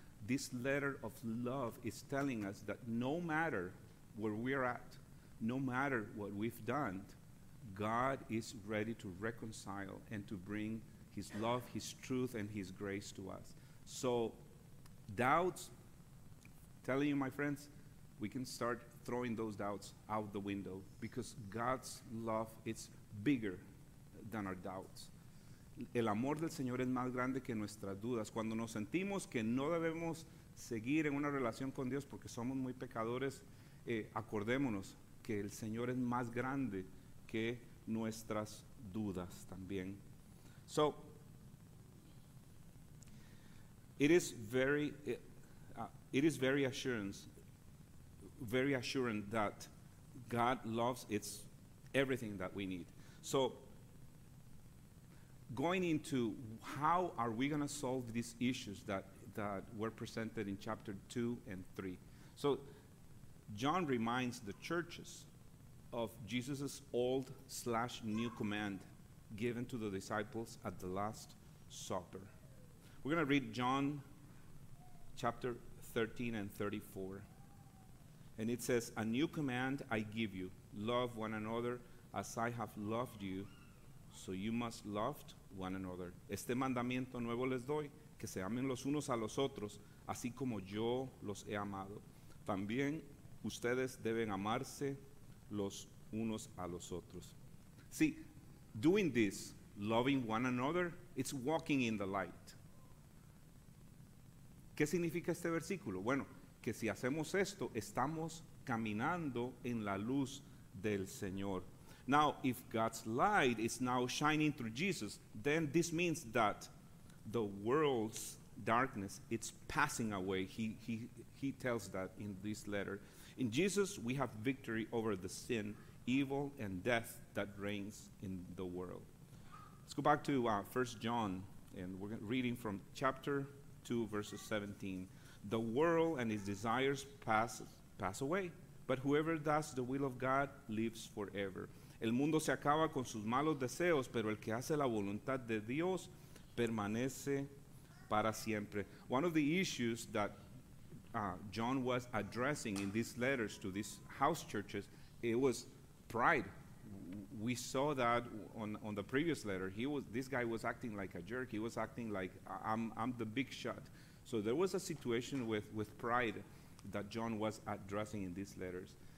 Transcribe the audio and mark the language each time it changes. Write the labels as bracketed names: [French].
[English] This letter of love is telling us that no matter where we're at, no matter what we've done, God is ready to reconcile and to bring his love, his truth, and his grace to us. So doubts, telling you, my friends, we can start throwing those doubts out the window because God's love is bigger than our doubts. [Spanish] El amor del Señor es más grande que nuestras dudas. Cuando nos sentimos que no debemos seguir en una relación con Dios porque somos muy pecadores, acordémonos que el Señor es más grande que nuestras dudas también. [English] So, it is very assuring that God loves it's everything that we need. So, going into how are we going to solve these issues that were presented in chapter 2 and 3. So, John reminds the churches of Jesus' old/new command given to the disciples at the Last Supper. We're going to read John chapter 13 and 34. And it says, a new command I give you, love one another as I have loved you, so you must love one another. [Spanish] Este mandamiento nuevo les doy, que se amen los unos a los otros, así como yo los he amado. También ustedes deben amarse los unos a los otros. [English] See, doing this, loving one another, it's walking in the light. [Spanish] ¿Qué significa este versículo? Bueno, que si hacemos esto, estamos caminando en la luz del Señor. [English] Now, if God's light is now shining through Jesus, then this means that the world's darkness, it's passing away. He tells that in this letter. In Jesus, we have victory over the sin, evil, and death that reigns in the world. Let's go back to 1 John, and we're reading from chapter 2, verses 17. The world and its desires pass away, but whoever does the will of God lives forever. [Spanish] El mundo se acaba con sus malos deseos, pero el que hace la voluntad de Dios permanece para siempre. [English] One of the issues that John was addressing in these letters to these house churches, it was pride. We saw that on the previous letter. This guy was acting like a jerk. He was acting like I'm the big shot. So there was a situation with pride that John was addressing in these letters.